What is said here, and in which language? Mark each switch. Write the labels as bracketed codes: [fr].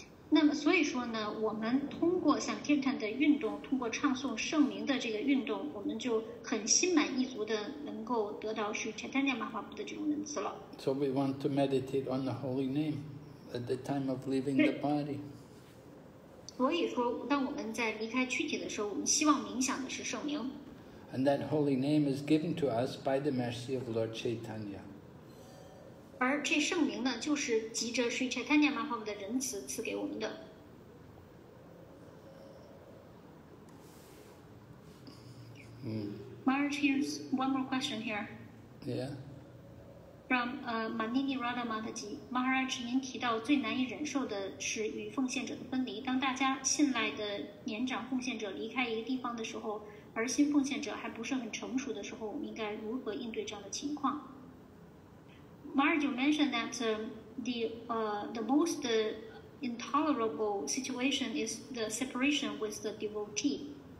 [zh] 那么所以说呢，我们通过Sankirtan的运动，通过唱诵圣名的这个运动，我们就很心满意足的能够得到Sri Chaitanya Mahaprabhu的这种仁慈了。 [en] So we want to meditate on the holy name at the time of leaving the body. [zh] 所以说，当我们在离开躯体的时候，我们希望冥想的是圣名。 [en] And that holy name is given to us by the mercy of Lord Chaitanya. [zh] 而这圣名呢，就是集着Sri Chaitanya Mahaprabhu的仁慈赐给我们的。 [en] Maharaj, here's one more question here. Yeah. From Manini Radha Mataji. [zh] Maharaj, 您提到最难以忍受的是与奉献者的分离。当大家信赖的年长奉献者离开一个地方的时候，而新奉献者还不是很成熟的时候，我们应该如何应对这样的情况？ [en] Maharaj, you mentioned that the most intolerable situation is the separation with the devotee.